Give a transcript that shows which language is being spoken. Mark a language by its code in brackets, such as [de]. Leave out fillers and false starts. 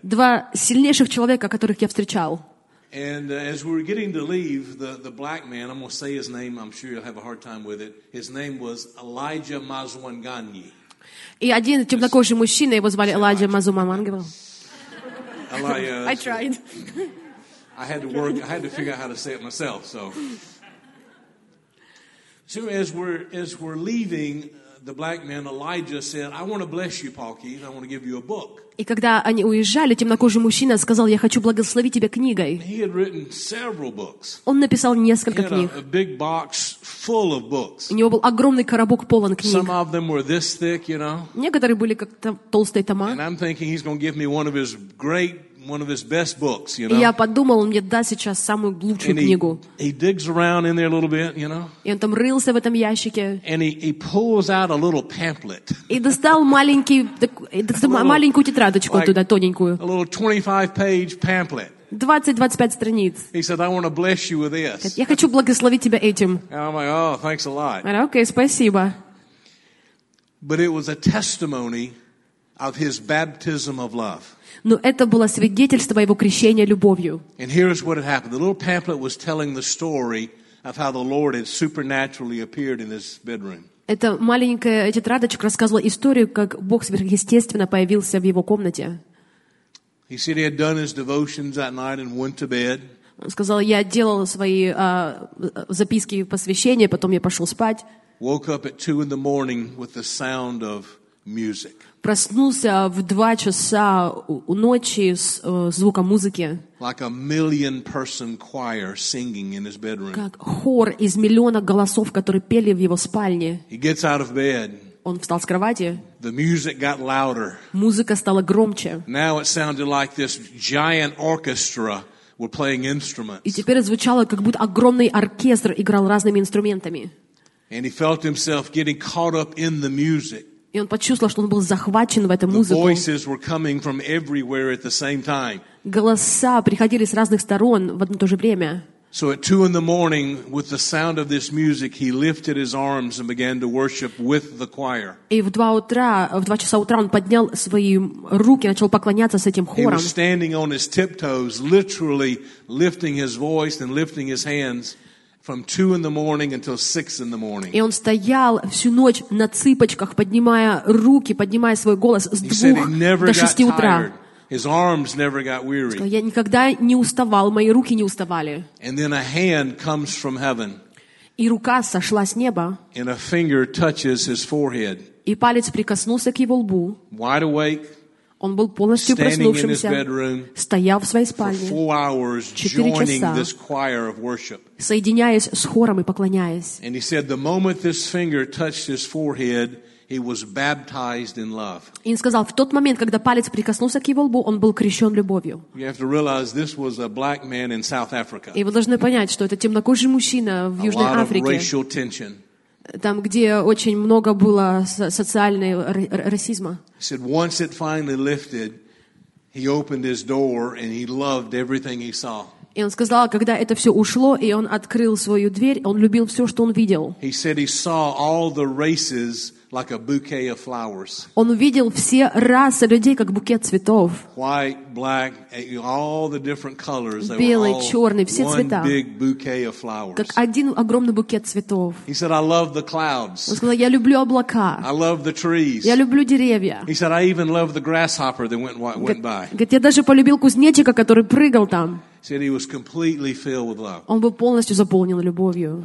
[ru] Два сильнейших человека, которых я встречал. [en] And as we were getting to leave, the black man, I'm going to say his name, I'm sure you'll have a hard time with it. His name was Elijah Mazwanganyi. [ru] И один темнокожий мужчина, его звали Элайджа Мазумамангива. [en] Elijah. I tried. I had to work. I had to figure out how to say it myself. So, So as we're leaving, the black man Elijah said, "I want to bless you, Paul Keith. I want to give you a book." [ru] И когда они уезжали, темнокожий мужчина сказал: "Я хочу благословить тебя книгой." [en] He had written several books. [ru] Он написал несколько книг. [en] He had a big box full of books. [ru] У него был огромный коробок полон книг. [en] Some of them were this thick, you know. [ru] Некоторые были как толстые тома. [en] And I'm thinking he's going to give me one of his great, one of his best books, you know. [ru] И я подумал, он мне даст сейчас самую лучшую книгу. [en] He digs around in there a little bit, you know. [ru] И он там рылся в этом ящике. [en] And he pulls out a little pamphlet. [ru] И достал маленькую тетрадочку оттуда, тоненькую. [en] A little 25-page pamphlet. [ru] 20-25 страниц. [en] He said, "I want to bless you with this." [ru] Я хочу благословить тебя этим. [en] And I'm like, "Oh, thanks a lot." [ru] Говорю, окей, спасибо. [en] But it was a testimony of his baptism of love. [ru] Но это было свидетельство его крещения любовью. [en] And here's what had happened. The little pamphlet was telling the story of how the Lord had supernaturally appeared in his bedroom. [ru] Эта маленькая тетрадочка рассказывала историю, как Бог сверхъестественно появился в его комнате. [en] He said he had done his devotions that night and went to bed. [ru] Он сказал: "Я делал свои записки и посвящения, потом я пошел спать." [en] Woke up at 2 in the morning with the sound of music. [ru] Проснулся в 2 часа ночи с звуком музыки. [en] Like a million person choir singing in his bedroom. [ru] Как хор из миллиона голосов, которые пели в его спальне. [en] He gets out of bed. [ru] Он встал с кровати. [en] The music got louder. [ru] Музыка стала громче. [en] Now it sounded like this giant orchestra were playing instruments. [ru] И теперь звучало, как будто огромный оркестр играл разными инструментами. [en] And he felt himself getting caught up in the music. [ru] И он почувствовал, что он был захвачен в эту музыку. [en] The voices were coming from everywhere at the same time. [ru] Голоса приходили с разных сторон в одно и то же время. [en] So at 2 in the morning, with the sound of this music, he lifted his arms and began to worship with the choir. [ru] И в два часа утра он поднял свои руки, начал поклоняться с этим хором. [en] He was standing on his tiptoes, literally lifting his voice and lifting his hands. From 2 in the morning until 6 in the morning. [ru] И он стоял всю ночь на цыпочках, поднимая руки, поднимая свой голос с 2 до 6 утра. [en] His arms never got weary. [ru] Сказал: "Я никогда не уставал, мои руки не уставали." [en] And then a hand comes from heaven. [ru] И рука сошла с неба. [en] And a finger touches his forehead. [ru] И палец прикоснулся к его лбу. [en] Wide awake. [ru] Он был полностью проснувшимся, стоял в своей спальне 4 часа, соединяясь с хором и поклоняясь. [en] And he said, the moment this finger touched his forehead, he was baptized in love. [ru] И сказал, в тот момент, когда палец прикоснулся к его лбу, он был крещен любовью. [en] You have to realize this was a black man in South Africa. [ru] И вы должны понять, что это темнокожий мужчина в Южной Африке. [en] A lot of racial tension. [ru] Там, где очень много было социального расизма. [en] He said, once it finally lifted, he opened his door and he loved everything he saw. [ru] И он сказал, когда это все ушло, и он открыл свою дверь, он любил все, что он видел. [en] He said he saw all the races like a bouquet of flowers. [ru] Он видел все расы людей как букет цветов. [en] White, black, all the different colors. [ru] Белый, черный, все цвета. [en] One big bouquet of flowers. [ru] Как один огромный букет цветов. [en] He said, I love the clouds. [ru] Он сказал, я люблю облака. [en] I love the trees. [ru] Я люблю деревья. [en] He said, I even love the grasshopper that went by. [ru] Говорит, я даже полюбил кузнечика, который прыгал там. [en] Said he was completely filled with love. [ru] Он был полностью заполнен любовью.